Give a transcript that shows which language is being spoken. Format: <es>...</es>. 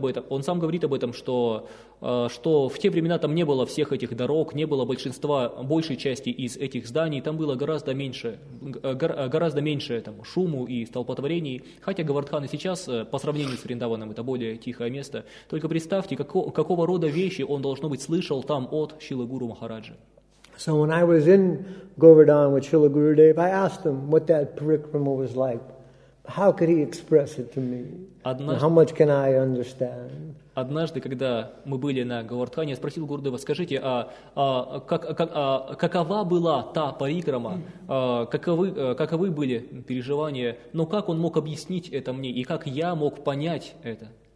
<ru>Он сам говорит об этом, что в те времена там не было всех этих дорог, не было большинства, большей части из этих зданий, там было гораздо меньше там, шуму и столпотворений, хотя Говардхан и сейчас, по сравнению с Вриндаваном, это более тихое место. Только представьте, какого рода вещи он, должно быть, слышал там от Шрилы Гуру Махараджи.</ru> <en>So when I was in Govardhan with Shrila Gurudev, I asked him what that parikrama was like. How could he express it to me? How much can I understand?</en> <ru>Однажды, когда мы были на Говардхане, я спросил Гурудева, скажите, какова была та парикрама, каковы были переживания, но как он мог объяснить это мне, и как я мог понять это?</ru>